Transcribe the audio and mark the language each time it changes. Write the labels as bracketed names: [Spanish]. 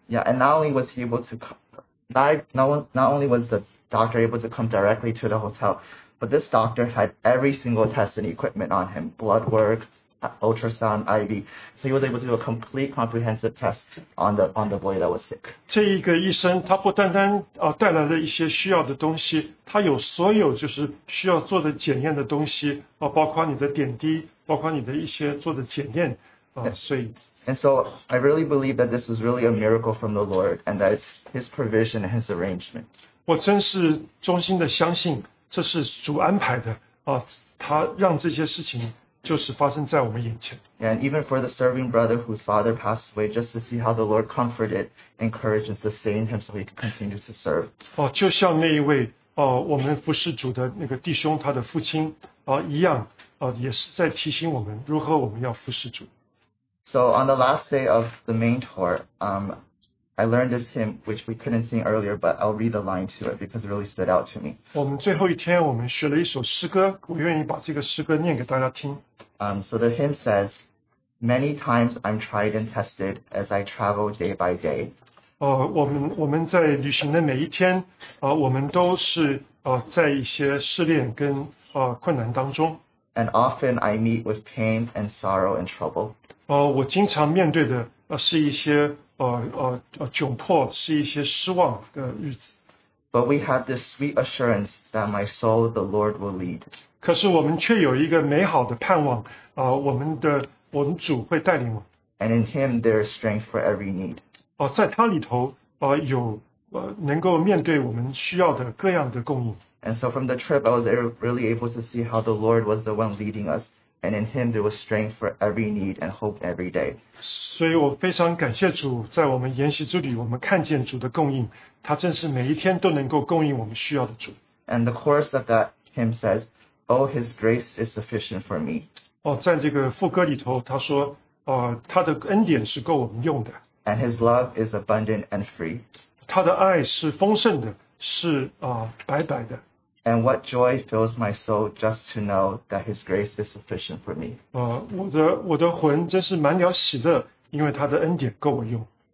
[English] Yeah, and not only was the doctor able to come directly to the hotel, but this doctor had every single test and equipment on him, blood work,ultrasound, IV. So he was able to do a complete comprehensive test on the boy that was sick. [Chinese] 这一个医生他不单单带来了一些需要的东西，他有所有就是需要做的检验的东西包括你的点滴，包括你的一些做的检验所以。 [English] And so I really believe that this is really a miracle from the Lord and that it's his provision and his arrangement. [Chinese] 我真是衷心的相信这是主安排的他让这些事情就是发生在我们眼前。 [English] And even for the serving brother whose father passed away, just to see how the Lord comforted, encouraged, and sustained him so he could continue to serve. [Chinese] 就像那一位我们服侍主的那个弟兄他的父亲一样也是在提醒我们如何我们要服侍主。 [English] So on the last day of the main tour, I learned this hymn, which we couldn't sing earlier, but I'll read the line to it because it really stood out to me. [Chinese] 我们最后一天我们学了一首诗歌，我愿意把这个诗歌念给大家听。 [English] So the hymn says, Many times I'm tried and tested as I travel day by day. [Chinese] 我们在旅行的每一天我们都是在一些试炼跟困难当中。 [English] And often I meet with pain and sorrow and trouble. [Chinese] 我经常面对的是一些窘迫，是一些失望的日子。 [English] But we have this sweet assurance that my soul, the Lord will lead. [Chinese] 可是我们却有一个美好的盼望我们主会带领我。 [English] And in him there is strength for every need. [Chinese] 在他里头能够面对我们需要的各样的供应。 [English] And so from the trip, I was really able to see how the Lord was the one leading us. And in him there was strength for every need and hope every day. [Chinese] 所以我非常感谢主在我们研习之旅我们看见主的供应他真是每一天都能够供应我们需要的主。 [English] And the chorus of that hymn says, Oh, his grace is sufficient for me. [Chinese] 在这个副歌里头他说他的恩典是够我们用的。 [English] And his love is abundant and free. [Chinese] 他的爱是丰盛的是白白的。 [English] And what joy fills my soul just to know that His grace is sufficient for me. [Chinese] 我的魂真是满了喜乐，因为他的恩典够我用。